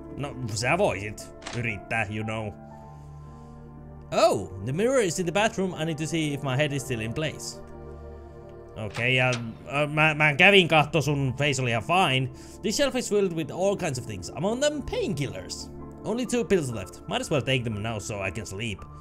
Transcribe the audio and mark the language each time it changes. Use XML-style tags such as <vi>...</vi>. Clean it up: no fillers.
<fi>No, sä voisit yrittää,</fi> <en>you know. Oh, the mirror is in the bathroom. I need to see if my head is still in place. Okay, yeah.</en> <fi>Mä kävin kahto sun face oli ihan fine.</fi> <en>This shelf is filled with all kinds of things. Among them, painkillers. Only 2 pills left. Might as well take them now so I can sleep.</en>